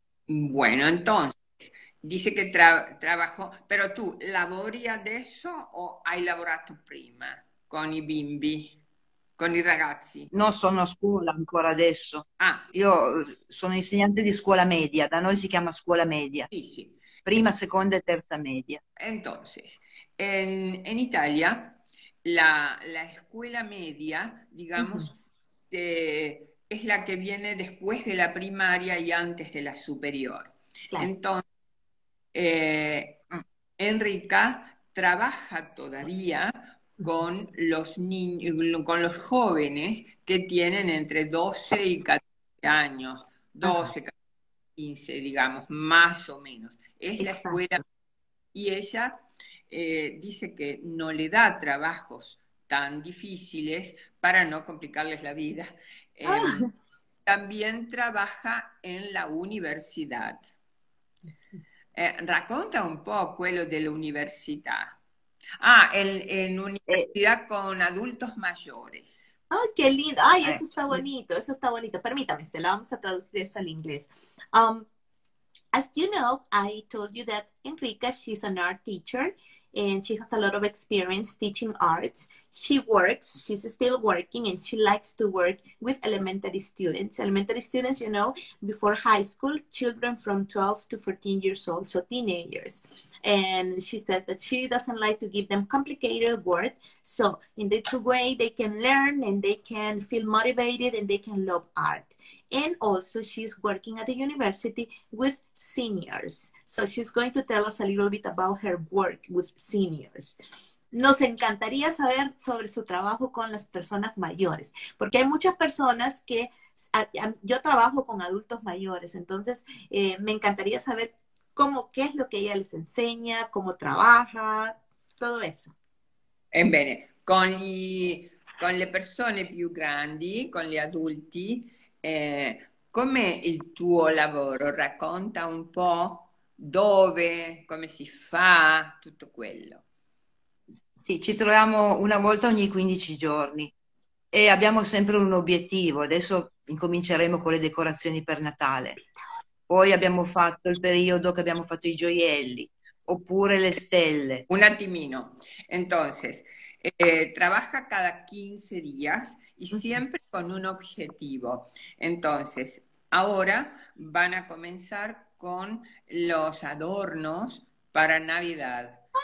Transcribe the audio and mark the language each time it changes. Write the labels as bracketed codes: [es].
[es] Bueno, entonces, dice que trabajó, pero tú, [it] ¿lavori adesso o hai lavorato prima con i bimbi, con i ragazzi? No, sono a scuola ancora adesso. Ah. Io sono insegnante di scuola media, da noi si chiama scuola media, Sì. prima, seconda e terza media. [es] Entonces, en Italia la escuela media, digamos, te es la que viene después de la primaria y antes de la superior. Claro. Entonces, Enrica trabaja todavía con los niños, con los jóvenes que tienen entre 12 y 14 años, 12, 15, digamos, más o menos. Es la escuela y ella dice que no le da trabajos tan difíciles para no complicarles la vida. También trabaja en la universidad. [it] Racconta un po' quello dell'università. [es] Ah, en universidad con adultos mayores. Ay, qué lindo. Ay, eso está bonito. Eso está bonito. Permítame, se lo vamos a traducir eso al inglés. [en] As you know, I told you that Enrica, she's an art teacher and she has a lot of experience teaching arts. She works, she's still working, and she likes to work with elementary students. Elementary students, you know, before high school, children from 12 to 14 years old, so teenagers. And she says that she doesn't like to give them complicated work, so in this way they can learn and they can feel motivated and they can love art. And also she's working at the university with seniors. So she's going to tell us a little bit about her work with seniors. [es] Nos encantaría saber sobre su trabajo con las personas mayores, porque hay muchas personas que yo trabajo con adultos mayores, entonces me encantaría saber cómo, qué es lo que ella les enseña, cómo trabaja, todo eso. [it] Bene, con le persone più grandi, con gli adulti, com'è il tuo lavoro? Racconta un po' dove, come si fa, tutto quello. Sì, ci troviamo una volta ogni 15 giorni e abbiamo sempre un obiettivo. Adesso incominceremo con le decorazioni per Natale. Poi abbiamo fatto il periodo che abbiamo fatto i gioielli, oppure le stelle. Un attimino, [es] entonces, trabaja cada 15 días y siempre con un objetivo. Entonces, ahora van a comenzar con los adornos para Navidad.